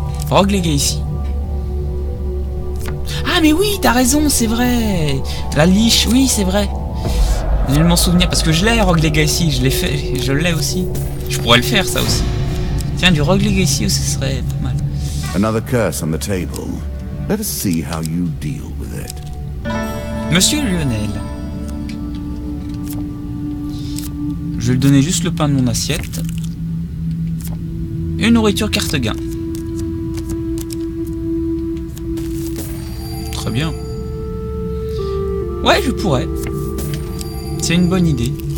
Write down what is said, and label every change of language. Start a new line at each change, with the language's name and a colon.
English: Rogue Legacy.
French: Ah mais oui, t'as raison, c'est vrai. La liche, oui, c'est vrai. Je m'en souviens parce que je l'ai, Rogue Legacy, je l'ai fait, je l'ai aussi. Je pourrais le faire ça aussi. Tiens, du Rogue Legacy aussi, ce serait pas mal.
English: Another curse on the table. Let us see how you deal with it.
French: Monsieur Lionel. Je vais lui donner juste le pain de mon assiette. Une nourriture carte gain. Bien. Ouais, je pourrais. C'est une bonne idée.